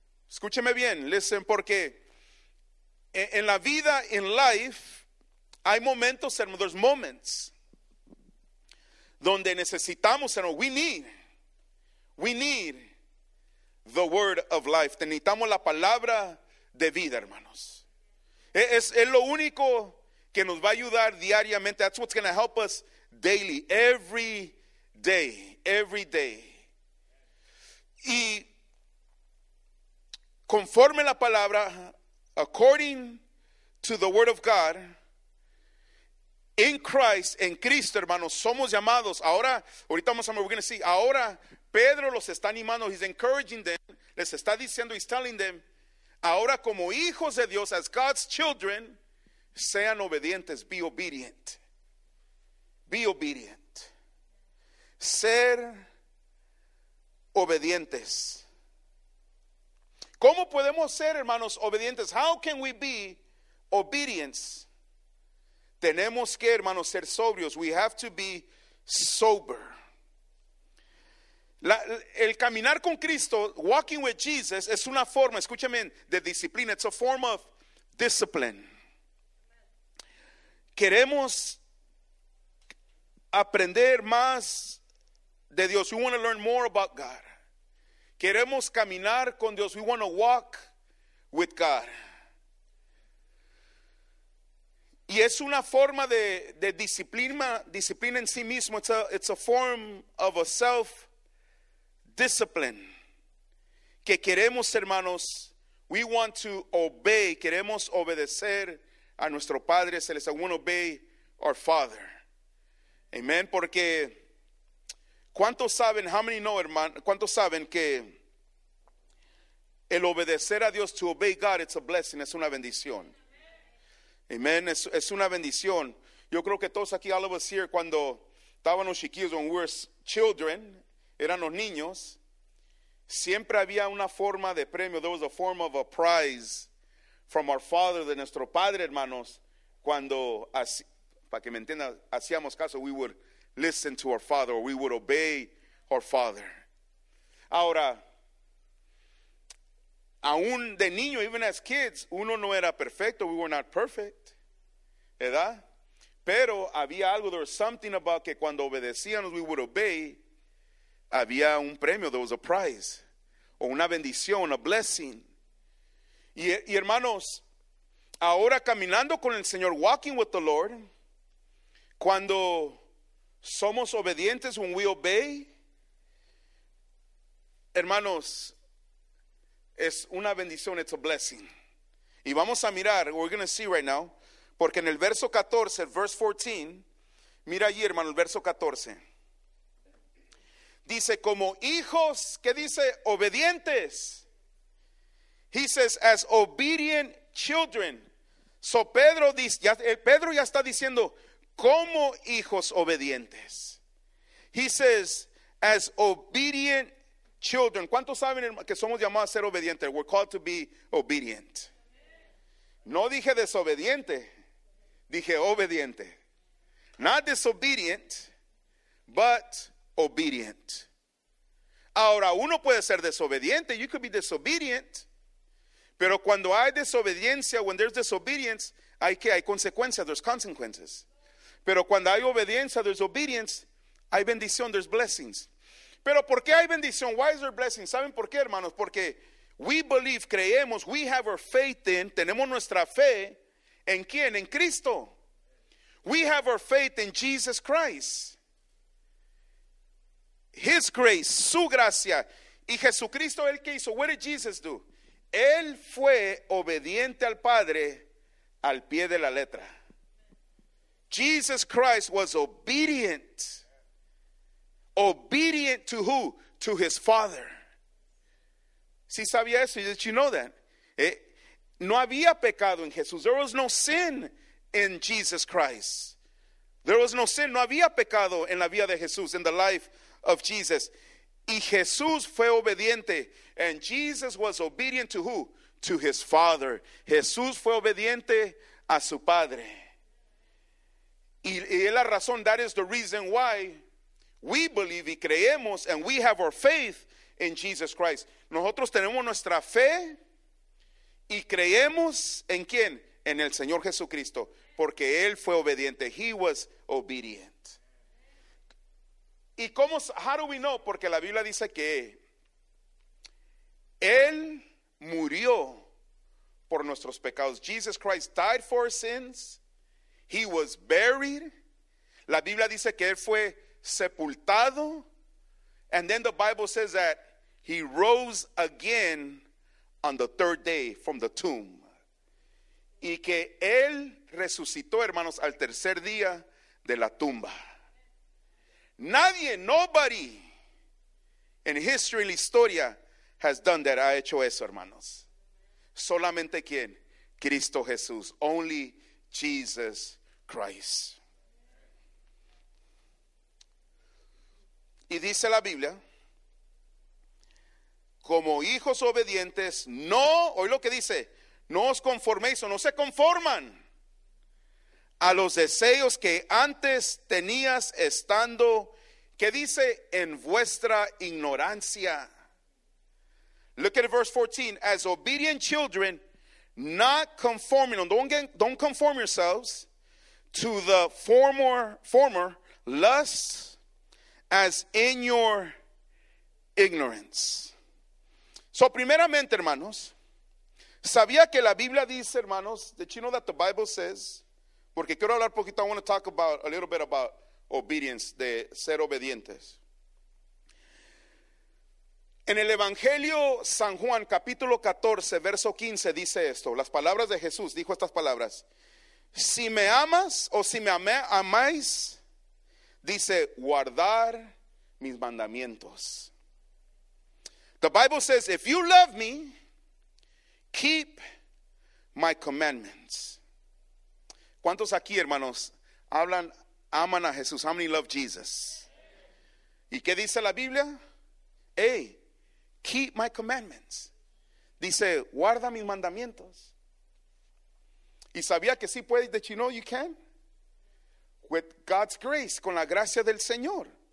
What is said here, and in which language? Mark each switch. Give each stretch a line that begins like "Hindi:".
Spanish: Escúcheme bien,
English: listen,
Spanish: porque en la vida,
English: in life,
Spanish: hay momentos, hermanos,
English: there's moments,
Spanish: donde necesitamos, hermanos,
English: we need the word of life.
Spanish: Necesitamos la palabra de vida, hermanos. Es lo único que nos va a ayudar diariamente.
English: That's what's going to help us daily, every day, every day.
Spanish: Y conforme la palabra,
English: according to the word of God, in Christ,
Spanish: en Cristo, hermanos, somos llamados. Ahora, ahorita vamos a ver,
English: we're going to see.
Spanish: Ahora, Pedro los está animando.
English: He's encouraging them.
Spanish: Les está diciendo,
English: he's telling them,
Spanish: ahora como hijos de Dios, as God's children, sean obedientes.
English: Be obedient. Be obedient.
Spanish: Ser obedientes. ¿Cómo podemos ser, hermanos, obedientes?
English: How can we be obedient?
Spanish: Tenemos que, hermanos, ser sobrios.
English: We have to be sober.
Spanish: El caminar con Cristo,
English: walking with Jesus,
Spanish: es una forma, escúchame, de disciplina.
English: It's a form of discipline.
Spanish: Queremos aprender más de Dios.
English: We want to learn more about God.
Spanish: Queremos caminar con Dios.
English: We want to walk with God.
Spanish: Y es una forma de disciplina en sí mismo.
English: It's a form of a self discipline.
Spanish: Que queremos, hermanos,
English: we want to obey,
Spanish: queremos obedecer a nuestro Padre Celestial.
English: We want to obey our Father. Amen.
Spanish: Porque ¿cuántos saben,
English: how many know,
Spanish: hermano, cuántos saben que el obedecer a Dios,
English: to obey God, it's a blessing,
Spanish: es una bendición? Amen. Es una bendición. Yo creo que todos aquí,
English: all of us here,
Spanish: cuando estábamos chiquillos,
English: when we were children,
Spanish: eran los niños, siempre había una forma de premio.
English: There was a form of a prize from our father,
Spanish: de nuestro padre, hermanos. Cuando, para que me entiendan, hacíamos caso,
English: we would listen to our father, or we would obey our father.
Spanish: Ahora, aún de niño,
English: even as kids,
Spanish: uno no era perfecto.
English: We were not perfect, ¿verdad?
Spanish: Pero había algo,
English: there was something about
Spanish: que cuando obedecíamos,
English: we would obey,
Spanish: había un premio,
English: there was a prize,
Spanish: o una bendición,
English: a blessing.
Spanish: Y hermanos, ahora caminando con el Señor,
English: walking with the Lord,
Spanish: cuando somos obedientes,
English: when we obey,
Spanish: hermanos, es una bendición,
English: it's a blessing.
Spanish: Y vamos a mirar,
English: we're going to see right now,
Spanish: porque en el verso 14,
English: verse 14,
Spanish: mira allí, hermano, el verso 14. Dice, como hijos, ¿qué dice? Obedientes.
English: He says, as obedient children.
Spanish: So Pedro dice, ya, Pedro ya está diciendo, como hijos obedientes.
English: He says, as obedient children.
Spanish: ¿Cuántos saben que somos llamados a ser obedientes?
English: We're called to be obedient.
Spanish: No dije desobediente, dije obediente.
English: Not disobedient, but obedient.
Spanish: Ahora, uno puede ser desobediente.
English: You could be disobedient.
Spanish: Pero cuando hay desobediencia,
English: when there's disobedience,
Spanish: hay que, hay consecuencias,
English: there's consequences.
Spanish: Pero cuando hay obediencia,
English: there's obedience,
Spanish: hay bendición,
English: there's blessings.
Spanish: Pero ¿por qué hay bendición?
English: Why is there blessings?
Spanish: ¿Saben por qué, hermanos? Porque
English: we believe,
Spanish: creemos,
English: we have our faith in,
Spanish: tenemos nuestra fe, ¿en quién? En Cristo.
English: We have our faith in Jesus Christ. His grace,
Spanish: su gracia. Y Jesucristo, ¿él qué hizo?
English: What did Jesus do?
Spanish: Él fue obediente al Padre al pie de la letra.
English: Jesus Christ was obedient. Obedient to who? To his Father.
Spanish: ¿Sí sabía eso?
English: Did you know that?
Spanish: No había pecado en Jesús.
English: There was no sin in Jesus Christ. There was no sin.
Spanish: No había pecado en la vida de Jesús,
English: in the life of Jesus.
Spanish: Y Jesús fue obediente.
English: And Jesus was obedient to who? To his Father.
Spanish: Jesús fue obediente a su Padre. Y la razón,
English: that is the reason why we believe
Spanish: y creemos,
English: and we have our faith in Jesus Christ.
Spanish: Nosotros tenemos nuestra fe y creemos en quién? En el Señor Jesucristo, porque Él fue obediente.
English: He was obedient.
Spanish: ¿Y cómo?
English: How do we know?
Spanish: Porque la Biblia dice que Él murió por nuestros pecados.
English: Jesus Christ died for our sins. He was buried.
Spanish: La Biblia dice que Él fue sepultado.
English: And then the Bible says that he rose again on the third day from the tomb.
Spanish: Y que Él resucitó, hermanos, al tercer día de la tumba. Nadie,
English: nobody in history,
Spanish: la historia,
English: has done that.
Spanish: Ha hecho eso, hermanos. Solamente ¿quién? Cristo Jesús.
English: Only Jesus Christ.
Spanish: Y dice la Biblia, como hijos obedientes, no, oye lo que dice, no os conforméis o no se conforman a los deseos que antes tenías estando, que dice, en vuestra ignorancia.
English: Look at verse 14, as obedient children, not conforming, don't conform yourselves to the former lusts as in your ignorance.
Spanish: So primeramente, hermanos, sabía que la Biblia dice, hermanos,
English: did you know that the Bible says,
Spanish: porque quiero hablar poquito,
English: I want to talk about a little bit about obedience,
Spanish: de ser obedientes. En el Evangelio San Juan, capítulo 14, verso 15, dice esto, las palabras de Jesús, dijo estas palabras, si me amas o si me amáis, dice, guardar mis mandamientos.
English: The Bible says, if you love me, keep my commandments.
Spanish: ¿Cuántos aquí, hermanos, hablan, aman a Jesús?
English: How many love Jesus?
Spanish: ¿Y qué dice la Biblia?
English: Hey, keep my commandments.
Spanish: Dice, guarda mis mandamientos. ¿Y sabía que sí puedes?
English: That you know you can? With God's grace,
Spanish: con la gracia del Señor.